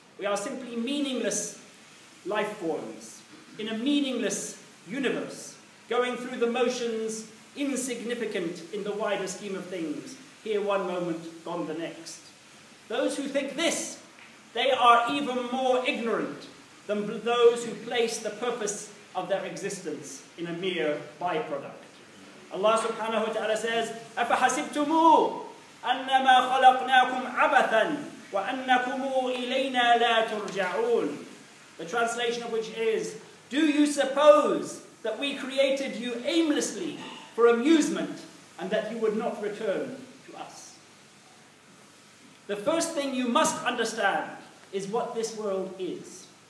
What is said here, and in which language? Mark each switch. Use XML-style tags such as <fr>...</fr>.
<en>We are simply meaningless life forms in a meaningless universe, going through the motions, insignificant in the wider scheme of things, here one moment, gone the next. Those who think this, they are even more ignorant than those who place the purpose of their existence in a mere byproduct. Allah subhanahu wa ta'ala says,</en> <ar>أَفَحَسِبْتُمُ أَنَّمَا خَلَقْنَاكُمْ عَبَثًا وَأَنَّكُمُ إِلَيْنَا لَا تُرْجَعُونَ.</ar> <en>The translation of which is, do you suppose that we created you aimlessly for amusement and that you would not return to us? The first thing you must understand is what this world is.</en>